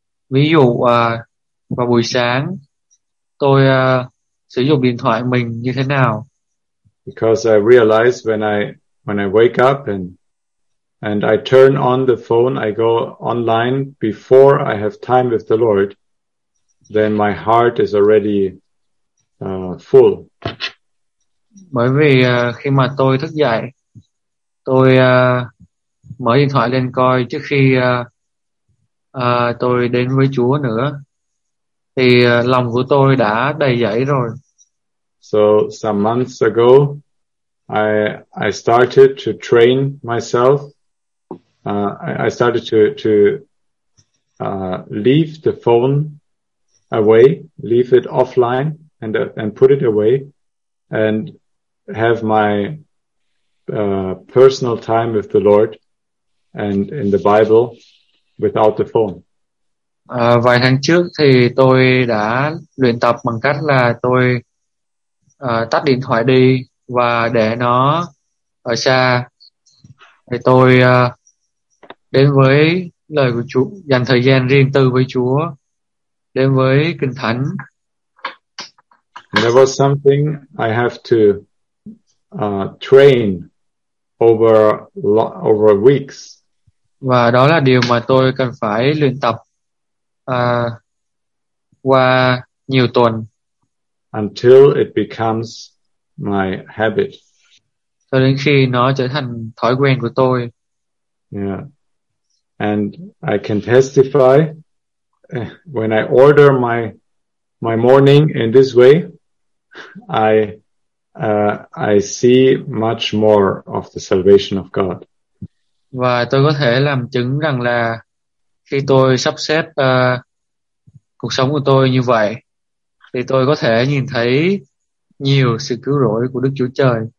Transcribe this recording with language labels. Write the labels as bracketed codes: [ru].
[vi] Ví dụ vào buổi sáng tôi sử dụng điện thoại mình như thế nào? [en] Because I realize when I wake up and I turn on the phone, I go online before I have time with the Lord, then my heart is already full. [vi] Bởi vì khi mà tôi thức dậy, tôi mở điện thoại lên coi trước khi tôi đến với Chúa nữa, thì lòng của tôi đã đầy dẫy rồi. [en] So some months ago, I started to train myself. I started to leave the phone away, leave it offline, and put it away, and have my personal time with the Lord and in the Bible without the phone. [vi] Vài tháng trước thì tôi đã luyện tập bằng cách là tôi tắt điện thoại đi và để nó ở xa, thì tôi đến với lời của Chúa, dành thời gian riêng tư với Chúa, đến với Kinh Thánh. [en] There was something I have to train over weeks. [vi] Và đó là điều mà tôi cần phải luyện tập qua nhiều tuần. [en] Until it becomes my habit. [vi] Cho đến khi nó trở thành thói quen của tôi. [en] Yeah. And I can testify when I order my morning in this way, I see much more of the salvation of God. [vi] Và tôi có thể làm chứng rằng là khi tôi sắp xếp cuộc sống của tôi như vậy, thì tôi có thể nhìn thấy nhiều sự cứu rỗi của Đức Chúa Trời.